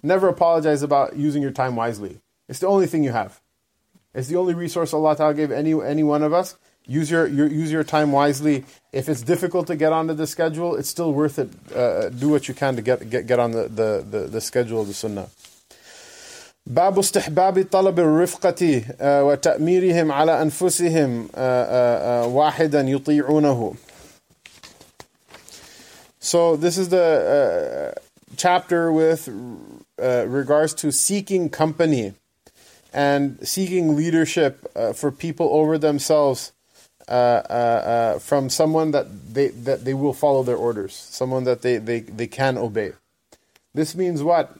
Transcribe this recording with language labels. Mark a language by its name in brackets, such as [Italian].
[English] Never apologize about using your time wisely. It's the only thing you have. It's the only resource Allah Ta'ala gave any one of us. Use your time wisely. If it's difficult to get onto the schedule, it's still worth it. Do what you can to get on the schedule of the sunnah. [Arabic] باب استحباب طلب الرفقة وتأميرهم على أنفسهم واحدا يطيعونه. [English] So this is the chapter with regards to seeking company and seeking leadership for people over themselves from someone that they will follow their orders, someone that they can obey. This means what?